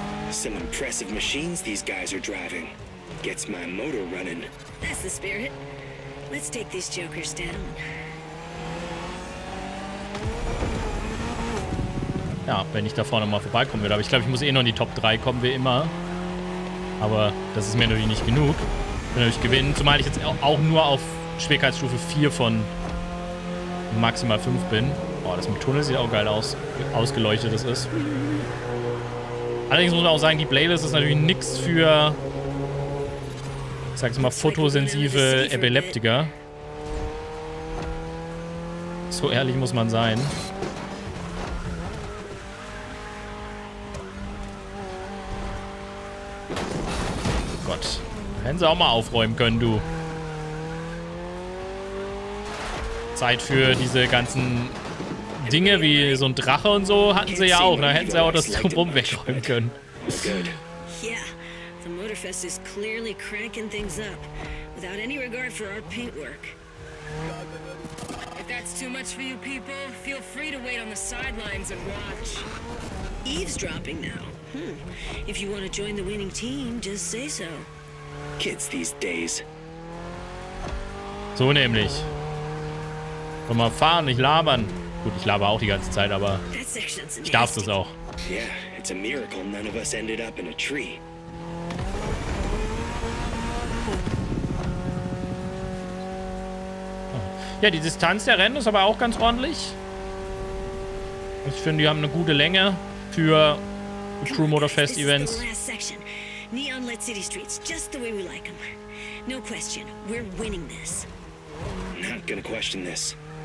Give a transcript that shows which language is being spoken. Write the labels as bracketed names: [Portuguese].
[English] Some impressive machines these guys are driving. Gets my motor running. That's the spirit. Let's take these jokers down. [German] Ja, wenn ich da vorne mal vorbeikommen würde. Aber ich glaube, ich muss eh noch in die Top 3 kommen, wie immer. Aber das ist mir natürlich nicht genug. Ich will natürlich gewinnen. Zumal ich jetzt auch nur auf Schwierigkeitsstufe 4 von maximal 5 bin. Boah, das mit Tunnel sieht auch geil aus, wie ausgeleuchtet das ist. Allerdings muss man auch sagen, die Playlist ist natürlich nichts für, ich sag's mal, fotosensive Epileptiker. So ehrlich muss man sein. Gott, hätten sie auch mal aufräumen können, du. Zeit für diese ganzen Dinge wie so ein Drache und so hatten sie ja auch. Da hätten sie auch das drumherum wegräumen können. [English] Yeah, the Motorfest is clearly cranking things up without any regard for our paintwork. If that's too much for you people, feel free to wait on the sidelines and watch. Eavesdropping now. If you want to join the winning team, just say so. Kids these days. [German] So nämlich. Komm mal fahren, nicht labern. Gut, ich laber auch die ganze Zeit, aber ich darf das auch. [English] Yeah, it's a miracle none of us ended up in a tree. [German] Ja, die Distanz der Rennen ist aber auch ganz ordentlich. Ich finde, die haben eine gute Länge für Crew Motor Fest Events. [English] Neon Lit City Streets, just the way we like them. No question, we're winning this. Not gonna question this.